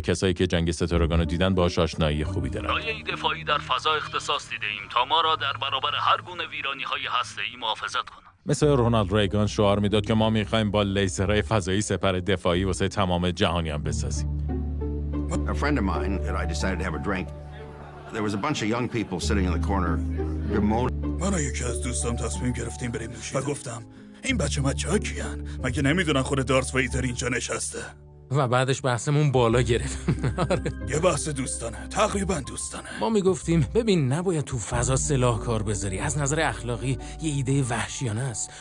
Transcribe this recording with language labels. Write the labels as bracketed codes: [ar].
[fa] کسایی که جنگ ستارگان رو دیدن باهاش آشنایی خوبی دارن. رایه دفاعی در فضا اختصاص دیده ایم تا ما را در برابر هر گونه ویرانی های هسته‌ای محافظت کنه. مثل رونالد ریگان شعار میداد که ما میخواییم با لیزرهای فضایی سپر دفاعی واسه تمام جهانیان بسازیم. [en] A friend of mine and I decided to have a drink. There was a bunch of young people sitting in the corner. [fa] من و یکی از دوستام تصمیم گرفتیم بریم نوشیدن. و گفتم این بچه ما چه کیان؟ مگه نمیدونن خود دارت ویدر اینجا نشسته؟ و بعدش بحثمون بالا گرفت. یه بحث دوستانه، تقریبا دوستانه. ما میگفتیم ببین نباید تو فضا سلاح کار بذاری. از نظر اخلاقی یه ایده وحشیانه است.